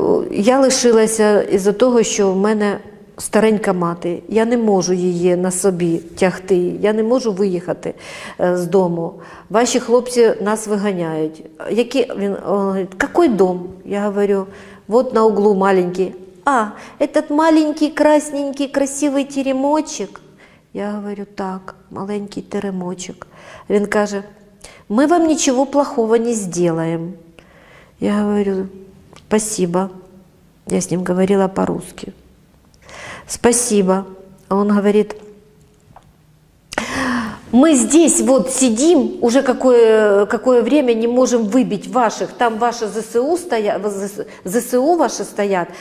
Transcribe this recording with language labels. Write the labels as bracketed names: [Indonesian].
[Ukrainian] Я лишилася із-за того, що в мене старенька мати. Я не можу її на собі тягти, я не можу виїхати з дому. Ваші хлопці нас виганяють. Він говорить: «Який дом?» [Russian] Я говорю: «От на углу маленький». «А, этот маленький, красненький, красивий теремочек?» [Ukrainian] Я говорю: «Так, маленький теремочек». Він каже: «Ми вам нічого плохого не зробимо». Я говорю: «Спасибо». [Russian] Я с ним говорила по-русски. «Спасибо». А он говорит: «Мы здесь вот сидим уже какое время, не можем выбить ваших. Там ваши ЗСУ стоят, ЗСУ ваши стоят.